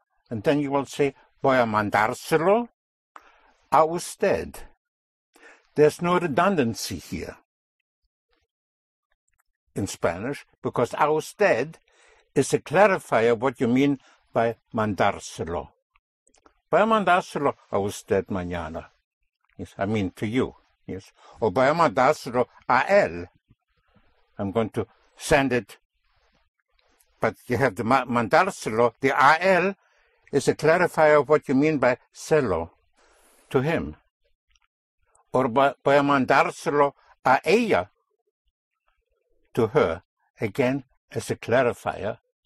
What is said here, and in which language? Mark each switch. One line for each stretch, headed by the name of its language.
English: And then you will say,
Spanish: voy a mandárselo a usted.
English: There's no redundancy here in Spanish, because a usted is a clarifier of what you mean by mandárselo.
Spanish: Voy a mandárselo a usted mañana.
English: Yes, I mean to you. Yes.
Spanish: O voy a mandárselo a él.
English: I'm going to send it. But you have the mandárselo, the a él is a clarifier of what you mean by celo, to him. Or
Spanish: voy a mandárselo a ella,
English: to her, again, as a clarifier.